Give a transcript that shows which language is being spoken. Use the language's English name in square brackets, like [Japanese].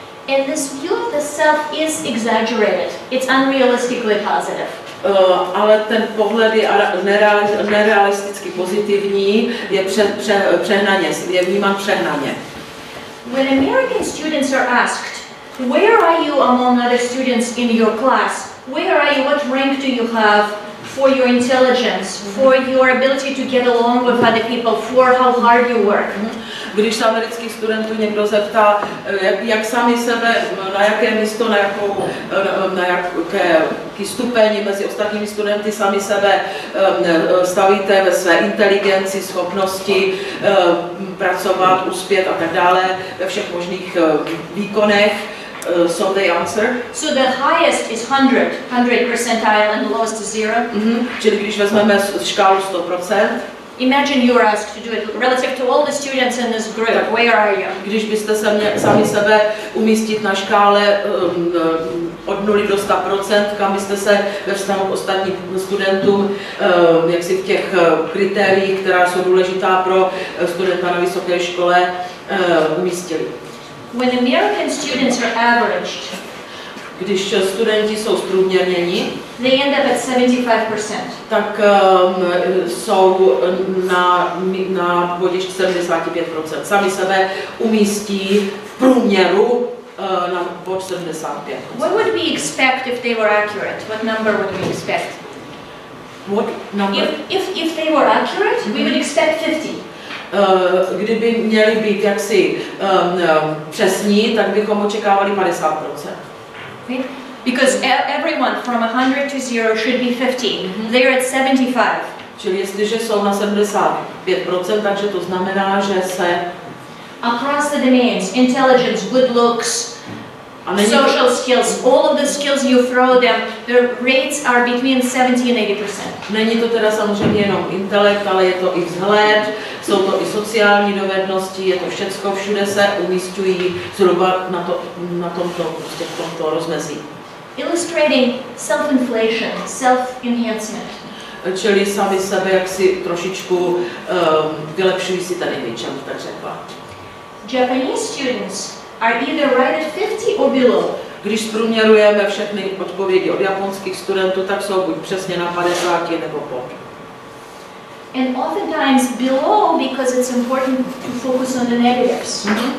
[English] And this view of the self is exaggerated. It's unrealistically positive. [Czech] Ale ten pohled je nerealisticky pozitivní, je přehnaně, je vnímám přehnaně. [English] When American students are asked, where are you among other students in your class? Where are you? What rank do you have for your intelligence, for your ability to get along with other people, for how hard you work? [Czech] Když se amerických studentů někdo zeptá, jak sami sebe, na jaké místo, na jaký stupeň mezi ostatními studenty sami sebe stavíte ve své inteligenci, schopnosti pracovat, uspět a tak dále ve všech možných výkonech, [English] so they answer. So the highest is 100, 100 percentile and the lowest is 0. [Czech] Čili když vezmeme škálu 100%, [English] imagine you are asked to do it relative to all the students in this group. Tak, where are you? [Czech] Když byste se mě, sami sebe umístit na škále od 0 do 100%, kam byste se ve vztahu k ostatním studentům, jak si v těch kritériích, která jsou důležitá pro studenta na vysoké škole, umístili? [English] When American students are averaged, [Czech] když studenti jsou zprůměrněni, [English] they end up at 75%. [Czech] Tak jsou na bodě 75%. Sami sebe umístí v průměru na bod 75%. [English] What would we expect if they were accurate? What number would we expect? What number? If they were accurate, we would expect 50. [Czech] Kdyby měly být jaksi přesní, tak bychom očekávali 50%. [English] Because everyone from 100 to 0 should be 15. Mm-hmm. They are at 75. [Czech] Čili jestliže jsou na 75%, takže to znamená, že se [English] across the domains, intelligence, good looks, social skills, all of the skills you throw them, the rates are between 70% and 80%. [Czech] Není to teda samozřejmě jenom intelekt, ale je to i vzhled, jsou to i sociální dovednosti, je to všecko, všude se umisťují zhruba na to, na tomto, prostě v tomto rozmezí. [English] Illustrating self-inflation, self-enhancement. [Czech] Čili sami sebe jaksi trošičku vylepšují si tady výčem, tak řekla. [English] Japanese students are either right at 50 or below. [Czech] Když zprůměrujeme všechny odpovědi od japonských studentů, tak jsou buď přesně na 50 nebo pod. [English] And oftentimes below because it's important to focus on the negatives, mm-hmm.